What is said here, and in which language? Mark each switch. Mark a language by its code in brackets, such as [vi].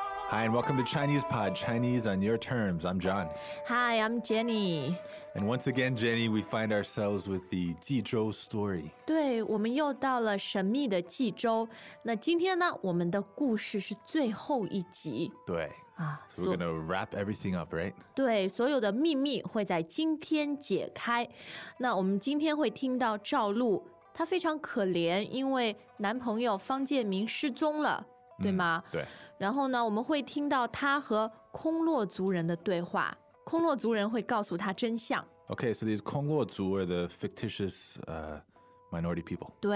[en] Hi, and welcome to Chinese Pod, Chinese on your terms. I'm John. Hi, I'm Jenny. And once again, Jenny, we find ourselves with the 济州 story. [zh] 对,我们又到了神秘的济州。那今天呢,我们的故事是最后一集。对,so [en] we're going to wrap everything up, right? [zh] 对,所有的秘密会在今天解开。那我们今天会听到赵露,她非常可怜,因为男朋友方建明失踪了。对吗？对。然后呢，我们会听到他和空落族人的对话。空落族人会告诉他真相。Okay, [en] so these 空落族 are the fictitious minority people.